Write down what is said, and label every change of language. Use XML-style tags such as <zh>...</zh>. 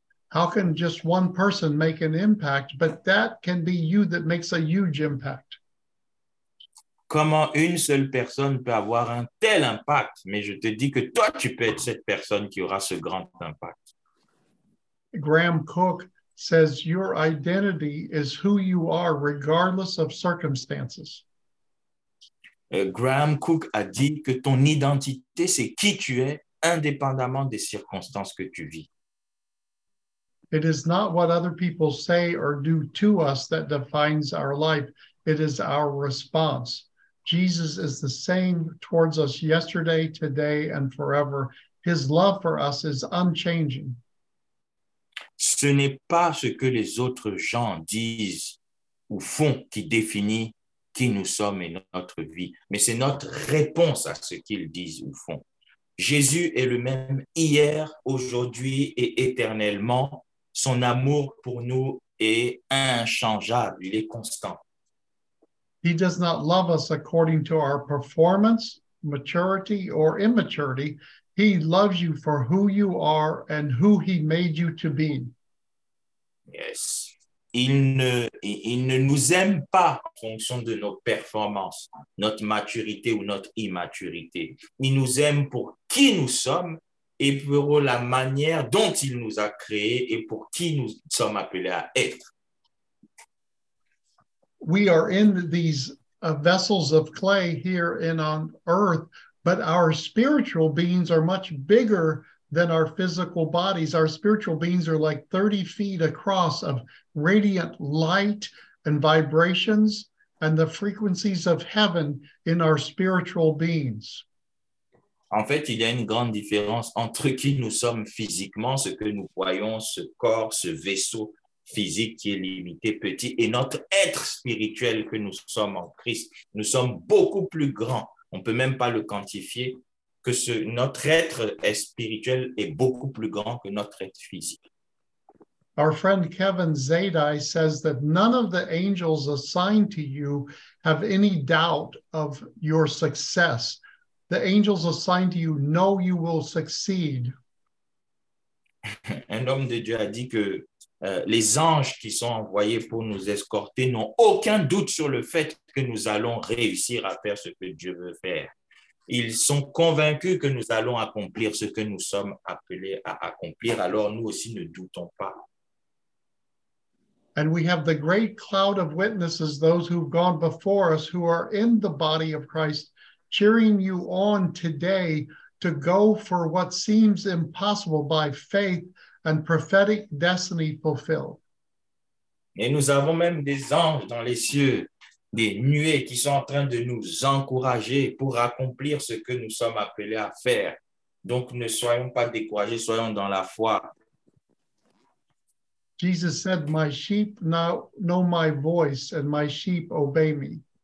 <en>How can just one person make an impact, but that can be you that makes a huge impact?</en> <fr>Comment une seule personne peut avoir un tel impact? Mais je te dis que toi, tu peux être cette personne qui aura ce grand impact.</fr> <en>Graham Cook says, your identity is who you are, regardless of circumstances.</en> <fr>Graham Cook a dit que ton identité, c'est qui tu es, indépendamment des circonstances que tu vis.</fr> <en>It is not what other people say or do to us that defines our life. It is our response. Jesus is the same towards us yesterday, today, and forever. His love for us is unchanging.</en> <fr>Ce n'est pas ce que les autres gens disent ou font qui définit qui nous sommes et notre vie, mais c'est notre réponse à ce qu'ils disent ou font. Jésus est le même hier, aujourd'hui et éternellement. Son amour pour nous est inchangeable, il est constant.</fr> <en>He does not love us according to our performance, maturity, or immaturity. He loves you for who you are and who he made you to be. Yes.</en> <fr>Il ne nous aime pas en fonction de nos performances, notre maturité ou notre immaturité. Il nous aime pour qui nous sommes et pour la manière dont il nous a créés et pour qui nous sommes appelés à être.</fr> <en>We are in these vessels of clay here and on earth, but our spiritual beings are much bigger than our physical bodies. Our spiritual beings are like 30 feet across of radiant light and vibrations and the frequencies of heaven in our spiritual beings.</en> <fr>En fait, il y a une grande différence entre qui nous sommes physiquement, ce que nous voyons, ce corps, ce vaisseau physique qui est limité, petit, et notre être spirituel que nous sommes en Christ. Nous sommes beaucoup plus grands, on ne peut même pas le quantifier, que notre être est spirituel est beaucoup plus grand que notre être physique.</fr> <en>Our friend Kevin Zadi says that none of the angels assigned to you have any doubt of your success. The angels assigned to you know you will succeed.</en> <fr>Un homme de Dieu a dit que les anges qui sont envoyés pour nous escorter n'ont aucun doute sur le fait que nous allons réussir à faire ce que Dieu veut faire. Ils sont convaincus que nous allons accomplir ce que nous sommes appelés à accomplir. Alors nous aussi ne doutons pas.</fr> <en>And we have the great cloud of witnesses, those who've gone before us, who are in the body of Christ, cheering you on today to go for what seems impossible by faith and prophetic destiny fulfilled.</en> <fr>Et nous avons même des anges dans les cieux, des nuées qui sont en train de nous encourager pour accomplir ce que nous sommes appelés à faire. Donc ne soyons pas découragés, soyons dans la foi.</fr> <en>Jesus said, "My sheep know my voice, and my sheep obey me."</en>